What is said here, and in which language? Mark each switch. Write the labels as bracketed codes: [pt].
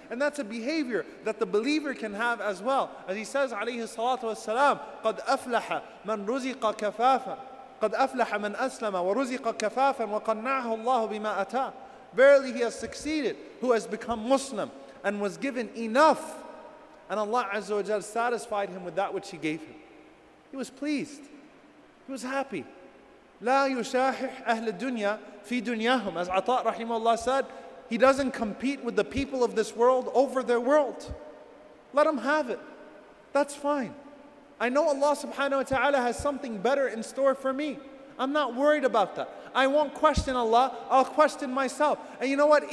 [en] And that's a behavior that the believer can have as well. As he says, alayhi salatu wasalam, [ar] قَدْ أَفْلَحَ مَنْ رُزِقَ كَفَافًا قَدْ أَفْلَحَ مَنْ أَسْلَمَ وَرُزِقَ كَفَافًا وَقَنَّعَهُ اللَّهُ بِمَا أَتَى [en] Verily he has succeeded who has become Muslim and was given enough. And Allah Azza wa Jal satisfied him with that which he gave him. He was pleased. He was happy. [ar] لا يشاحح أهل الدنيا في دنياهم. [en] As Ata' rahimahullah said, he doesn't compete with the people of this world over their world. Let them have it. That's fine. I know Allah subhanahu wa ta'ala has something better in store for me. I'm not worried about that. I won't question Allah, I'll question myself. And you know what?